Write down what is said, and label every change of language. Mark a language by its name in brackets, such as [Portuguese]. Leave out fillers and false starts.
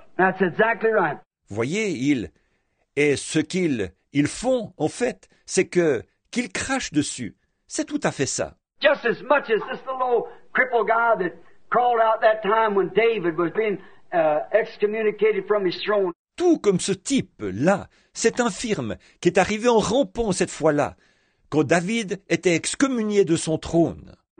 [English] That's exactly right. [French] Voyez, ils, et ce qu'ils font, en fait, c'est qu'ils crachent dessus. C'est tout à fait ça. [English] Just as much as this little old crippled guy that crawled out that time when David was being excommunicated from his throne. [French] Tout comme ce type-là, cet infirme qui est arrivé en rampant cette fois-là, quand David était excommunié de son trône.